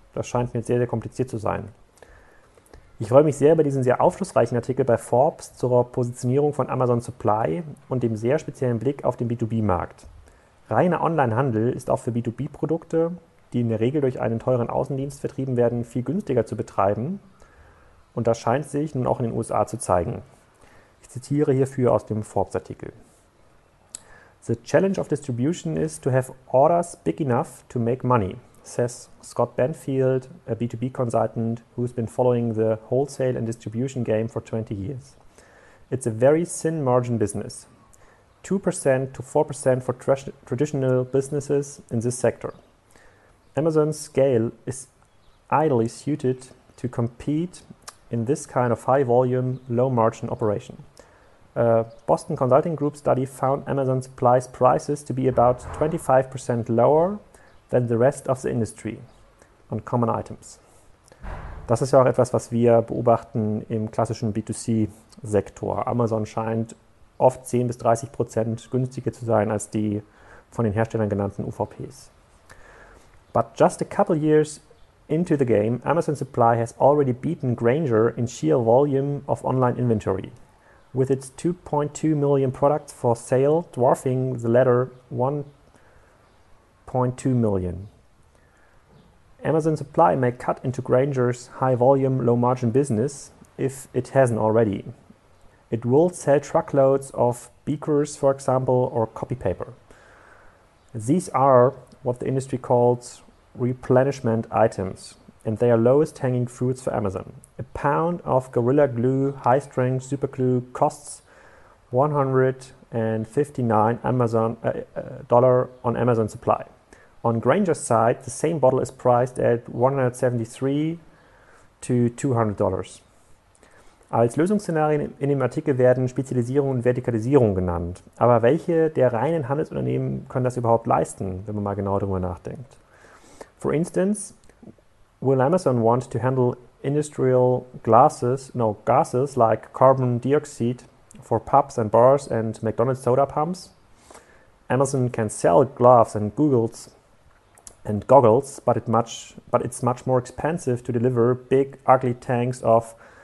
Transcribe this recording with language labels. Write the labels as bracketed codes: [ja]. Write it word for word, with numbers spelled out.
[de] Das scheint mir jetzt sehr, sehr kompliziert zu sein. Ich freue mich sehr über diesen sehr aufschlussreichen Artikel bei Forbes zur Positionierung von Amazon Supply und dem sehr speziellen Blick auf den B zwei B Markt. Reiner Onlinehandel ist auch für B zwei B Produkte, die in der Regel durch einen teuren Außendienst vertrieben werden, viel günstiger zu betreiben. Und das scheint sich nun auch in den U S A zu zeigen. Ich zitiere hierfür aus dem Forbes-Artikel. [en] The challenge of distribution is to have orders big enough to make money, says Scott Benfield, a B two B consultant who's been following the wholesale and distribution game for twenty years. It's a very thin margin business, two percent to four percent for tra- traditional businesses in this sector. Amazon's scale is ideally suited to compete in this kind of high-volume, low-margin operation. A Boston Consulting Group study found Amazon Supply's prices to be about twenty-five percent lower than the rest of the industry on common items. [de] Das ist ja auch etwas, was wir beobachten im klassischen B two C Sektor. Amazon scheint oft zehn bis dreißig Prozent günstiger zu sein als die von den Herstellern genannten U V Ps. [en] But just a couple years into the game, Amazon Supply has already beaten Grainger in sheer volume of online inventory, with its two point two million products for sale dwarfing the latter one point two million. Amazon Supply may cut into Grainger's high-volume, low-margin business if it hasn't already. It will sell truckloads of beakers, for example, or copy paper. These are what the industry calls replenishment items, and they are lowest-hanging fruits for Amazon. A pound of Gorilla Glue high-strength superglue costs one hundred fifty-nine dollars Amazon, uh, uh, dollar on Amazon Supply. On Grainger's side, the same bottle is priced at one hundred seventy-three to two hundred dollars. [de] Als Lösungsszenarien in dem Artikel werden Spezialisierung und Vertikalisierung genannt. Aber welche der reinen Handelsunternehmen können das überhaupt leisten, wenn man mal genau darüber nachdenkt? [en] For instance, will Amazon want to handle industrial gases, no, gases like carbon dioxide for pubs and bars and McDonald's soda pumps? Amazon can sell gloves and goggles. and goggles, but, it much, but it's much more expensive to deliver big, ugly tanks of